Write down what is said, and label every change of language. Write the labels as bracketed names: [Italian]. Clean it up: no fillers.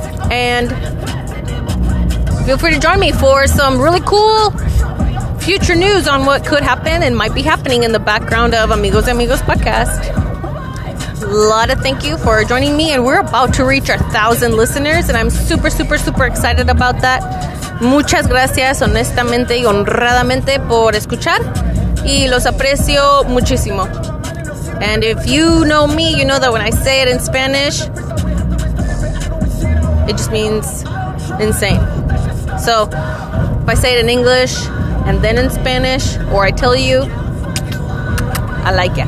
[English] And feel free to join me for some really cool future news on what could happen and might be happening in the background of Amigos Amigos podcast. A lot of thank you for joining me, and we're about to reach 1,000 listeners, and I'm super, super, super excited about that. [Spanish] Muchas gracias, honestamente y honradamente, por escuchar, y los aprecio muchísimo. [English] And if you know me, you know that when I say it in Spanish, it just means insane. So, if I say it in English and then in Spanish, or I tell you, I like it.